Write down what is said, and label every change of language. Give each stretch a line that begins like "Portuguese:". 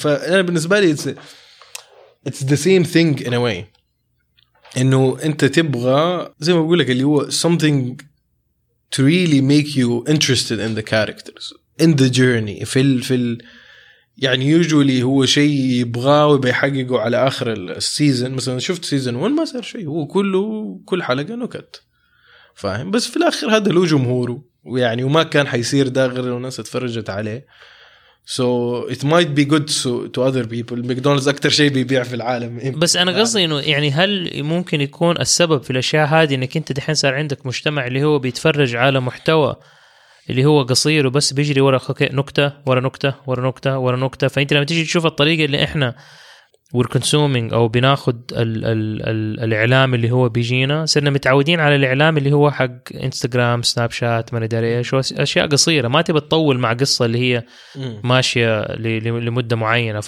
Arabic: فأنا بالنسبة لي
English: it's the same thing in a way,
Arabic: انه انت تبغى زي ما بقولك اللي هو
English: something to really make you interested in the characters, in the journey,
Arabic: في الـ يعني يوجولي هو شيء يبغاه وبيحققه على آخر السيزن. مثلا شفت سيزن 1 ما صار شيء, هو كل حلقة نكت, فاهم؟ بس في الآخر هذا له جمهوره ويعني, وما كان حيصير ده غير لو ناس اتفرجت عليه.
English: So it might be good to other people.
Arabic: ماكدونالدز أكتر شيء بيبيع في العالم. بس أنا قصدي إنه يعني هل ممكن يكون السبب في الأشياء هذه إنك أنت دحين صار عندك مجتمع اللي هو بيتفرج على محتوى اللي هو قصير وبس بيجري ورا نكتة ورا نكتة ورا نكتة ورا نكتة, فأنت لما تيجي تشوف الطريقة اللي إحنا
English: we're consuming
Arabic: أو بناخد الـ الإعلام اللي هو بيجينا, صرنا متعودين على الإعلام اللي هو حق إنستغرام, سناب شات, ما ندري إيش, أشياء قصيرة ما تبي تطول مع قصة اللي هي ماشية لمدة معينة.